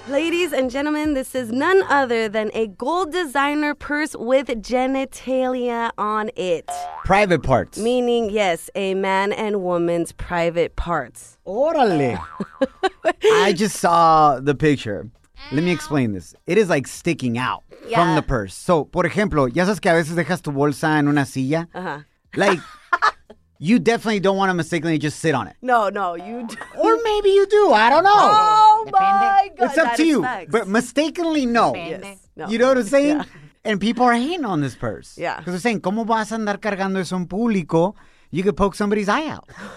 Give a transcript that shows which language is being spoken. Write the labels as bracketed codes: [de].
[en] Ladies and gentlemen, this is none other than a gold designer purse with genitalia on it. Private parts. Meaning, yes, a man and woman's private parts. Órale. I just saw the picture. Let me explain this. It is like sticking out from the purse. [es] So, por ejemplo, ya sabes que a veces dejas tu bolsa en una silla? [en] Like, you definitely don't want to mistakenly just sit on it. No, no, you do. Or maybe you do. I don't know. Oh, my God. It's up to you. But mistakenly, no. Yes. You know what I'm saying? Yeah. And people are hating on this purse. Yeah. Because they're saying, [es] ¿cómo vas a andar cargando eso en público? [en] You could poke somebody's eye out.